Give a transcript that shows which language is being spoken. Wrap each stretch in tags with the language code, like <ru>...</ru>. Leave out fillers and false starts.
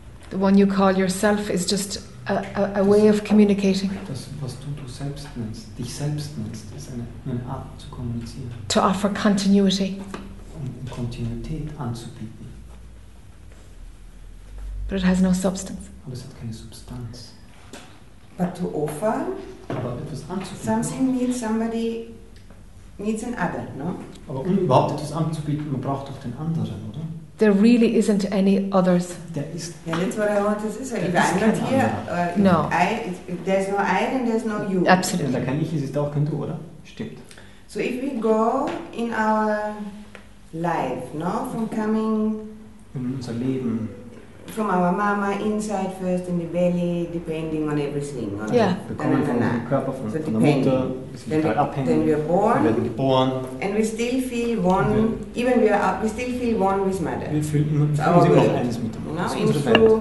<en>The one you call yourself is just a way of communicating.</en> <de>Das, was du selbst nennst, dich selbst nennst, ist eine Art zu kommunizieren.</de> <en>To offer continuity.</en> <de>Um Kontinuität anzubieten.</de> <en>But it has no substance.</en> <de>Aber es hat keine Substanz.</de> <en>But to offer something needs an other, no?</en> <de>Aber um überhaupt etwas anzubieten, man braucht auch den anderen, oder?</de> <en>There really isn't any others. There is. Yeah, that's what I want to say. If I'm not here, no. There's no I, then there's no you. Absolutely.</en> <de>Da kann ich, es ist auch kein du, oder? Stimmt.</de> <en>So if we go in our life, no? From coming.</en> <de>In unser Leben.</de> <en>From our mama inside first in the belly, depending on everything. Right? Yeah. We come from the Körper, from the Mutter. Then we are born.</en> <de>We werden geboren.</de> <en>And we still feel one. Okay. Even we are up, we still feel one with mother.</en> <de>Wir fühlen uns immer eins mit der Mutter.</de>